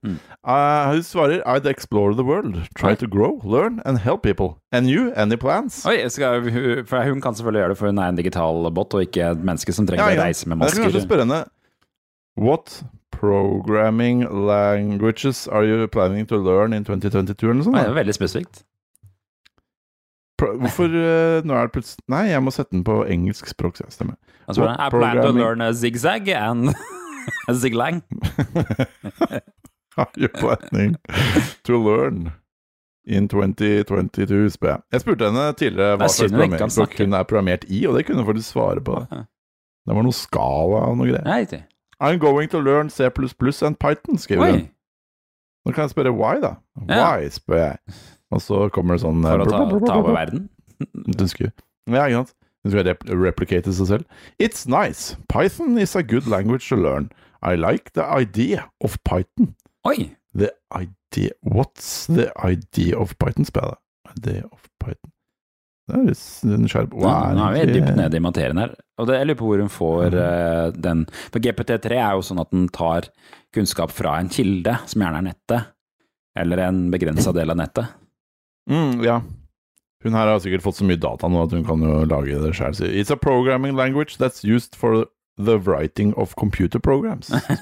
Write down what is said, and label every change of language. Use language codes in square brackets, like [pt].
[no] Hun svarer, [en] I'd explore the world, try to grow, learn and help people. And you, any plans? [no] Oi, for hun kan selvfølgelig gjøre det, for hun en digital bot, og ikke et menneske som trenger å reise med masker. Jeg kan kanskje spørre henne, [en] what... Programming languages are you planning to learn in 2022 [no] eller sånt? Nei, det veldig spesifikt. Hvorfor nå det plutselig... Nei, jeg må sette den på engelsk språk, så jeg stemmer. Altså, [en] I plan to learn a zigzag and a ziglang. Are you planning to learn in 2022, [no] spør jeg. Jeg spurte henne tidligere hva slags programmeringsspråk hun programmert I, og det kunne faktisk svare på. Det var noen skala og noe greier. Nei, ikke det. [en] I'm going to learn C++ and Python, [no] skriver hun. Nå kan jeg spørre why, da. [en] Why, yeah. [no] spør jeg. Og så kommer det sånn... For å ta over verden. Du skriver. Ja, ikke sant? Du skal replicate seg selv. [en] It's nice. Python is a good language to learn. I like the idea of Python. [no] Oi. [en] The idea... What's the idea of Python, [no] spør jeg da. [en] Idea of Python. [no] Det en skjerp... Nå er vi dypt nede I materien her. Og det, jeg lurer på hvor hun får den. For GPT-3 jo sånn at den tar kunnskap fra en kilde, som gjerne nettet, eller en begrenset del av nettet. Mm, ja. Hun her har sikkert fått så mye data nå at hun kan jo lage det selv. [en] It's a programming language that's used for the writing of computer programs.